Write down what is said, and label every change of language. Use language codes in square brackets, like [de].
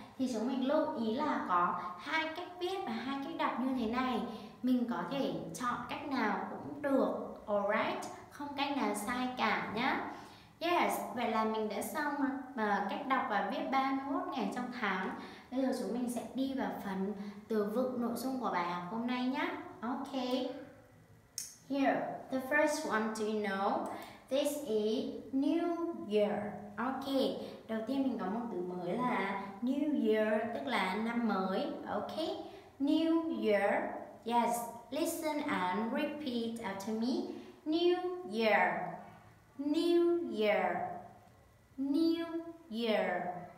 [vi] Thì chúng mình lưu ý là có hai cách viết và hai cách đọc như thế này, mình có thể chọn cách nào cũng được. Alright, không cách nào sai cả nhá. Yes, vậy là mình đã xong cách đọc và viết 31 ngày trong tháng. Bây giờ chúng mình sẽ đi vào phần từ vựng nội dung của bài học hôm nay nhá. [en] Ok, here, the first one to know, this is New Year. [vi] Ok, đầu tiên mình có một từ mới là New Year, tức là năm mới. [en] Ok, New Year. Yes, listen and repeat after me. New Year, New Year, New Year.